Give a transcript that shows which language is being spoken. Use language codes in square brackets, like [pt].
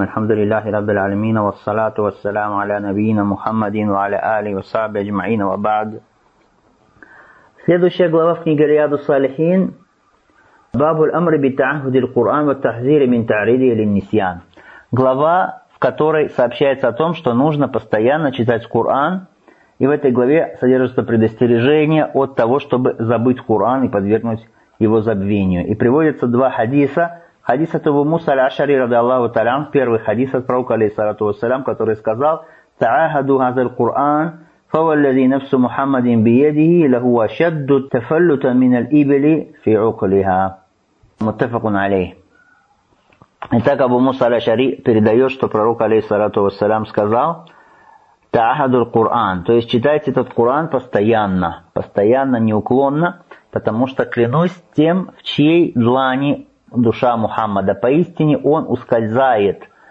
[ar] الحمد لله رب العالمين والصلاة والسلام على نبينا محمد وعلى آله وصحبه أجمعين وبعد. [ru] Следующая глава в книге Рияду Салихин, Бабу Л-Амр Би-Та'ахуд Иль-Куран Ва-Тахзир Мин-Та'риди Иль-Нисьян. Глава, в которой сообщается о том, что нужно постоянно читать Куран, и в этой главе содержится предостережение от того, чтобы забыть Куран и подвергнуть его забвению. И приводятся два хадиса. Хадис от Абу Муса аль-Ашари радиаллаху та'аля, первый хадис от пророка алейхиссалату вассалям, который сказал: [ar] «Та'ахаду хазаль Куран». فوالذي نفس محمد بيده لهو شد التفلت من الإبل في عقلها. متفق عليه. [ru] Итак, Абу Муса аль-Ашари передает, что пророк алейхиссалату вассалям сказал: [ar] «Та'ахаду аль-Куран». [ru] То есть читайте этот Куран постоянно, постоянно, неуклонно, потому что клянусь тем, в чьей длани душа Мухаммада, поистине он ускользает.